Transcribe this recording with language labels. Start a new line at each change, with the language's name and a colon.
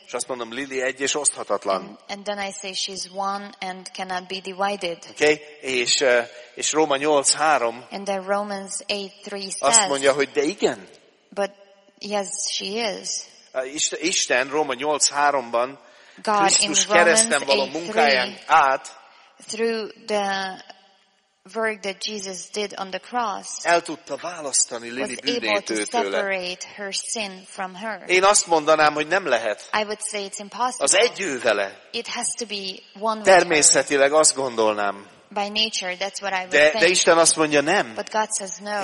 Hungarian: És azt mondom, Lily egy és oszthatatlan.
English: And then I say she's one and cannot be divided.
Hungarian: Okay? És Róma 8:3.
English: And then Romans 8:3 says.
Hungarian: Azt mondja, hogy de igen.
English: But yes, she is.
Hungarian: Isten Róma 8:3-ban Krisztus kereszten való munkáján át.
English: Through the work that Jesus did on the cross.
Hungarian: El tudta választani Lili bűnétől tőle.
English: Was able to separate her sin from her.
Hungarian: Én azt mondanám, hogy nem lehet.
English: I would say it's impossible.
Hungarian: Az egy ő vele.
English: It has to be one.
Hungarian: Természetileg azt gondolnám.
English: By nature, that's what I would
Hungarian: think. De Isten azt mondja, nem.
English: But God says no.